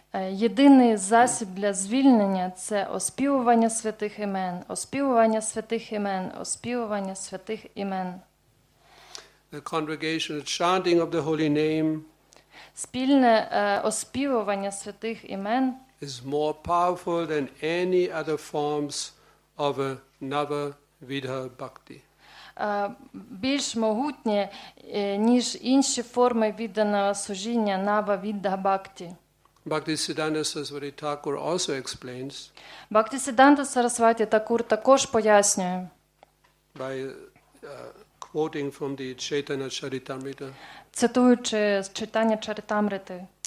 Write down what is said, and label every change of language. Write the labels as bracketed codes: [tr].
[uk] Єдиний засіб для звільнення – це оспівування святих імен, оспівування святих імен, оспівування святих імен. [en] The congregation, the chanting of the holy name, [uk] спільне оспівування святих імен, [en] is more powerful than any other forms of another vidha bhakti. [uk] Більш могутнє, ніж інші форми відданого служіння нава відда бхакти. [en] Bhaktisiddhanta Saraswati Thakur also explains. [uk] Bhaktisiddhanta Saraswati Thakur також пояснює. [en] By quoting from the Chaitanya Charitamrita. [uk] Цитуючи з Чайтаня Чарітамрити.